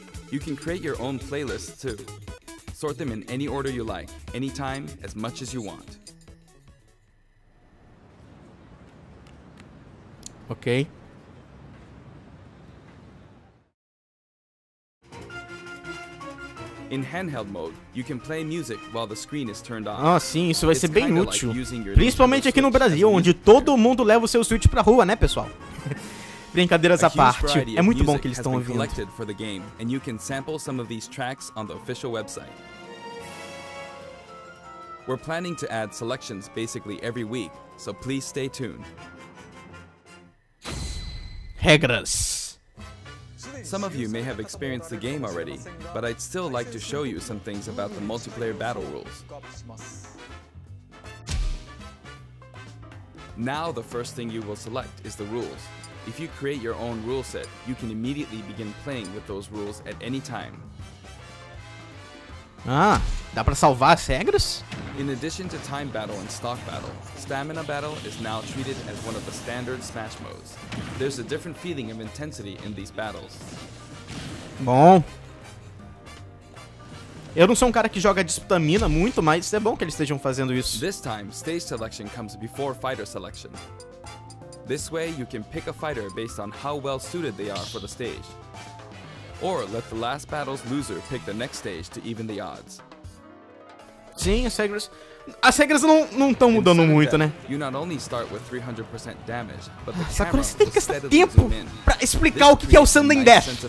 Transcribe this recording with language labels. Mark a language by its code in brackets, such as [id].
[en] You can create your own playlist too. Sort them in any order you like, anytime, as much as you want. Okay. In handheld mode, you can play music while the screen is turned on. [pt] Ah, sim, isso vai ser bem útil. Principalmente aqui no Brasil, onde todo mundo leva o seu Switch pra rua, né, pessoal? Brincadeiras à parte, é muito bom que eles estão ouvindo. [en] Collected for the game, and you can sample some of these tracks on the official website. We're planning to add selections basically every week, so please stay tuned. [pt] Regras. [en] Some of you may have experienced the game already, but I'd still like to show you some things about the multiplayer battle rules. Now the first thing you will select is the rules. If you create your own rule set, you can immediately begin playing with those rules at any time. [pt] Ah, dá pra salvar as regras? [en] In addition to time battle and stock battle, stamina battle is now treated as one of the standard Smash modes. There's a different feeling of intensity in these battles. [pt] Bom. Eu não sou um cara que joga de stamina muito, mas é bom que eles estejam fazendo isso. [en] This time, stage selection comes before fighter selection. This way, you can pick a fighter based on how well suited they are for the stage. Or let the last battle's loser pick the next stage to even the odds. [pt] Sim, as regras não estão mudando muito, né? [en] You not only start with 300% damage, but the [pt] Sakura, você tem que gastar tempo pra explicar o que é o Sudden Death.